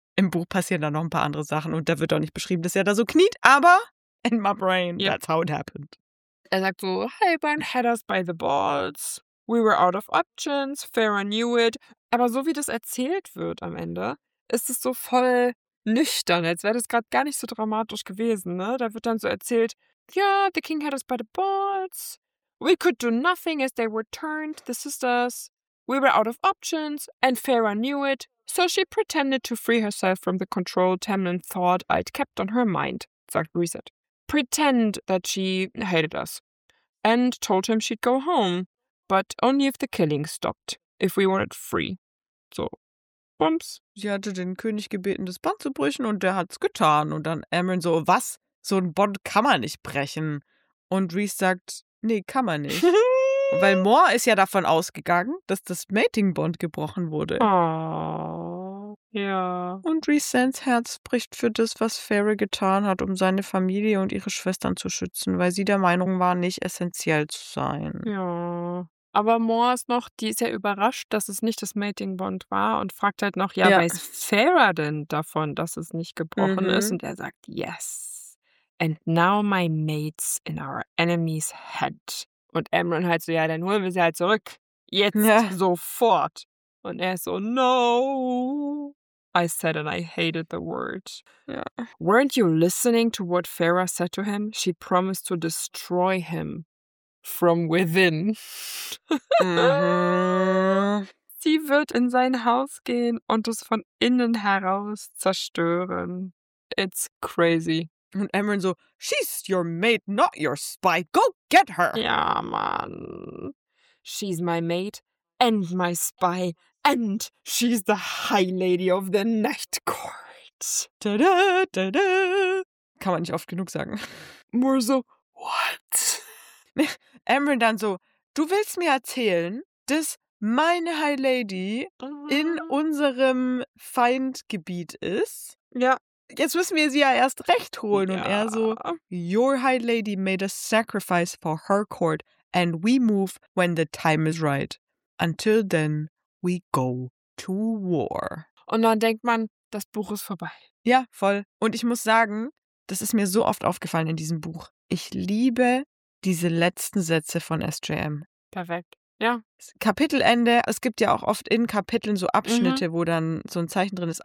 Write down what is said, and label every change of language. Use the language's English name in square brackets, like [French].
[German] Im Buch passieren da noch ein paar andere Sachen und da wird auch nicht beschrieben, dass er da so kniet, aber [English] in my brain, yep. That's how it happened. [German] Er sagt so, [English] hey, Brian, had us by the balls. We were out of options. Farrah knew it. [German] Aber so wie das erzählt wird am Ende, ist es so voll nüchtern, als wäre das gerade gar nicht so dramatisch gewesen, ne? Da wird dann so erzählt, [English] yeah, the king had us by the balls. We could do nothing as they were turned, the sisters. We were out of options and Farrah knew it. So she pretended to free herself from the control Tamlin thought I'd kept on her mind, [German] sagt Reset. [English] Pretend that she hated us and told him she'd go home, but only if the killing stopped, if we wanted free. [German] So. Bums. Sie hatte den König gebeten, das Band zu brechen und der hat's getan. Und dann Emrin so, was? So ein Bond kann man nicht brechen. Und Rhys sagt, nee, kann man nicht. Weil Mor ist ja davon ausgegangen, dass das Mating-Bond gebrochen wurde. Oh, ja. Und Rhys Sands Herz bricht für das, was Fairy getan hat, um seine Familie und ihre Schwestern zu schützen, weil sie der Meinung war, nicht essentiell zu sein. Ja. Aber Moore ist noch, die ist ja überrascht, dass es nicht das Mating Bond war und fragt halt noch, ja. Weiß Farrah denn davon, dass es nicht gebrochen ist? Und er sagt, yes. [English] And now my mate's in our enemy's head. [German] Und Emrin halt so, ja, dann holen wir sie halt zurück. Jetzt, sofort. Und er ist so, no. [English] I said and I hated the word. [German] Ja. [English] Weren't you listening to what Farrah said to him? She promised to destroy him. From within. [German] Sie wird in sein Haus gehen und es von innen heraus zerstören. [English] It's crazy. [German] Und Emrin so, [English] she's your mate, not your spy. Go get her. [German] Ja, Mann. [English] She's my mate and my spy. And she's the High Lady of the Night Court. [German] Tada, tada. Kann man nicht oft genug sagen. [English] More so, what? [German] Emrin dann so, du willst mir erzählen, dass meine High Lady in unserem Feindgebiet ist? Ja. Jetzt müssen wir sie ja erst recht holen. Ja. Und er so, [English] your High Lady made a sacrifice for her court and we move when the time is right. Until then, we go to war. [German] Und dann denkt man, das Buch ist vorbei. Ja, voll. Und ich muss sagen, das ist mir so oft aufgefallen in diesem Buch. Ich liebe diese letzten Sätze von SJM. Perfekt, ja. Kapitelende, es gibt ja auch oft in Kapiteln so Abschnitte, wo dann so ein Zeichen drin ist.